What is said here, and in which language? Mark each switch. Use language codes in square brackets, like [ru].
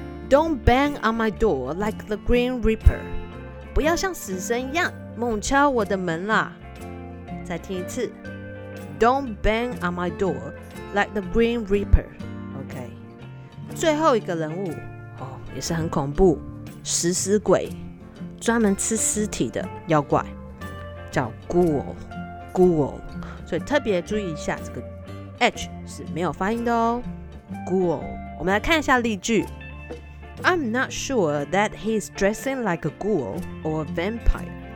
[en] Don't bang on my door like the Green Reaper. [zh] 不要像死神一样猛敲我的门啦。再听一次。 [en] Don't bang on my door like the Green Reaper. OK. [zh] 最后一个人物，哦，也是很恐怖，食尸鬼，专门吃尸体的妖怪，叫 Ghoul。所以特别注意一下，这个 H 是没有发音的哦。 Ghoul， 我们来看一下例句。 [en] I'm not sure that he's dressing like a ghoul or a vampire.